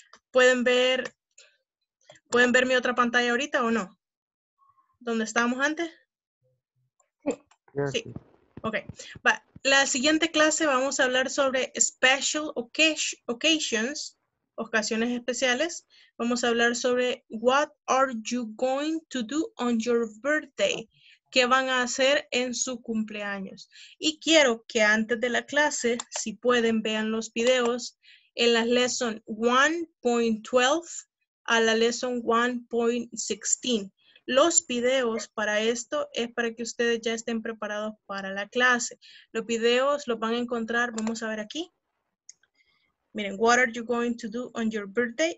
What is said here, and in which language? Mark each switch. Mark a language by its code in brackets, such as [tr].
[es] ¿Pueden ver mi otra pantalla ahorita o no? ¿Dónde estábamos antes? Sí. Ok. Va. La siguiente clase vamos a hablar sobre special occasions, ocasiones especiales. Vamos a hablar sobre [en] what are you going to do on your birthday? [es] ¿Qué van a hacer en su cumpleaños? Y quiero que antes de la clase, si pueden, vean los videos en la lesson 1.12 a la lesson 1.16. Los videos para esto es para que ustedes ya estén preparados para la clase. Los videos los van a encontrar, vamos a ver aquí. [en] Miren, what are you going to do on your birthday?